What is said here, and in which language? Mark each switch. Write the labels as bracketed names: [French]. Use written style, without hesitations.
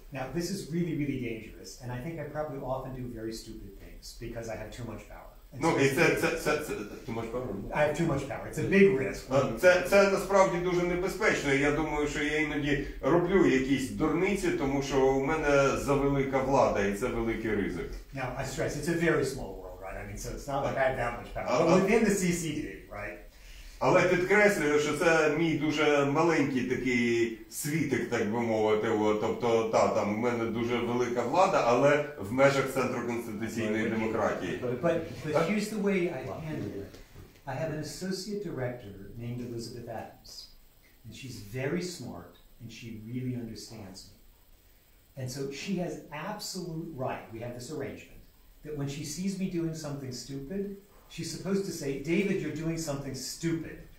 [English] Now, this is really, really dangerous, and I think I probably often do very stupid things, because I have too much power. [Ukrainian] Ну, і це [English] too much power. I have too much power. It's a big risk. [Ukrainian] Це насправді дуже небезпечно. Я думаю, що я іноді роблю якісь дурниці, тому що у мене завелика влада, і це великий ризик. [English] Now, I stress, it's a very small world, right? I mean, Right? So it's not like I had that much power. But within the CCD, right? [Ukrainian] Але підкреслюю, що це мій дуже маленький такий світик, так би мовити. Тобто, та, там, в мене дуже велика влада, але в межах центру конституційної демократії. [English] But here's the way I handle it. I have an associate director named Elizabeth Adams. And she's very smart, and she really understands me. And so she has absolute right, we have this arrangement, that when she sees me doing something stupid, she's supposed to say, David, you're doing something stupid.